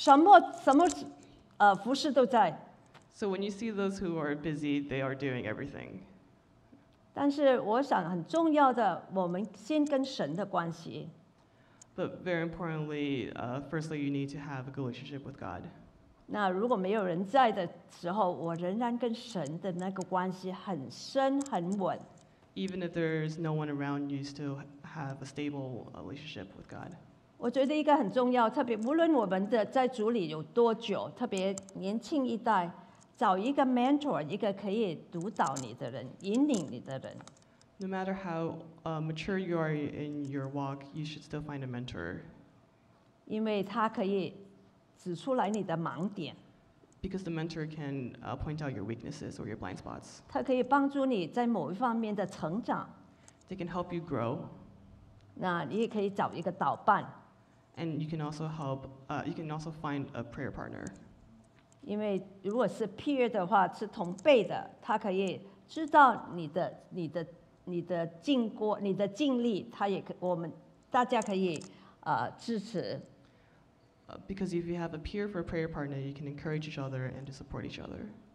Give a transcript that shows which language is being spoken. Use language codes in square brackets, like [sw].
[zh] 所以你看到忙的很忙的弟兄姐妹，你看到他们什么服事都在。 [en] So when you see those who are busy, they are doing everything. [zh] 但是我想很重要的，我们先跟神的关系。 [en] But very importantly, firstly, you need to have a good relationship with God. [zh] 那如果没有人在的时候，我仍然跟神的那个关系很深很稳。 [en] Even if there is no one around, you still have a stable relationship with God. [zh] 我觉得一个很重要，特别无论我们的在主里有多久，特别年轻一代，找一个 mentor， 一个可以督导你的人，引领你的人。 [en] No matter how mature you are in your walk, you should still find a mentor. [zh] 因为他可以指出来你的盲点。 [en] Because the mentor can point out your weaknesses or your blind spots. [zh] 他可以帮助你在某一方面的成长。 [en] They can help you grow. [zh] 那你也可以找一个导伴。 [en] And you can also help. You can also find a prayer partner. [zh] 因为如果是 peer 的话，是同辈的，他可以知道你的经过、你的经历，他也可我们大家可以支持。 [en] Because if you have a peer for a prayer partner, you can encourage each other and to support each other.